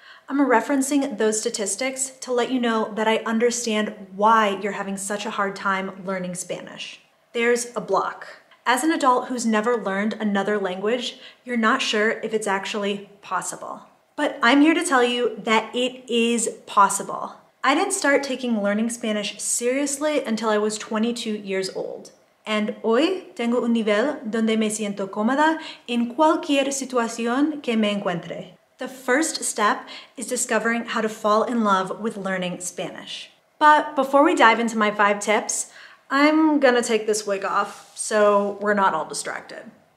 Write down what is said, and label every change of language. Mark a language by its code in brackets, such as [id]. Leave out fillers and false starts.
[en] I'm referencing those statistics to let you know that I understand why you're having such a hard time learning Spanish. There's a block. As an adult who's never learned another language, you're not sure if it's actually possible. But I'm here to tell you that it is possible. I didn't start taking learning Spanish seriously until I was 22 years old. [es] And hoy tengo un nivel donde me siento cómoda en cualquier situación que me encuentre. [en] The first step is discovering how to fall in love with learning Spanish. But before we dive into my five tips, I'm gonna take this wig off so we're not all distracted.